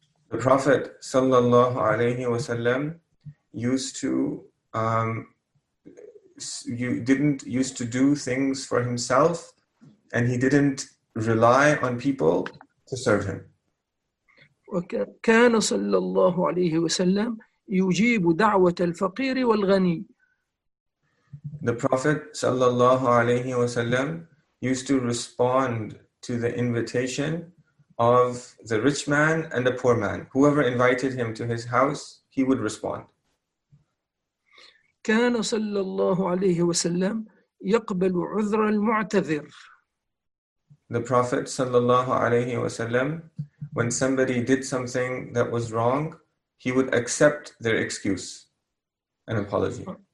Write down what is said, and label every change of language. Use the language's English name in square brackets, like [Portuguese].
[English] The Prophet [Arabic] صلى الله عليه وسلم [English] used to you didn't used to do things for himself, and he didn't rely on people to serve him. [Arabic] وكان صلى الله عليه وسلم يجيب دعوة الفقير والغني. [English] The Prophet [Arabic] صلى الله عليه وسلم [English] used to respond to the invitation of the rich man and the poor man. Whoever invited him to his house, he would respond. [Arabic] كان صلى الله عليه وسلم يقبل عذر المعتذر. [English] The Prophet [Arabic] صلى الله عليه وسلم, [English] when somebody did something that was wrong, he would accept their excuse and apology.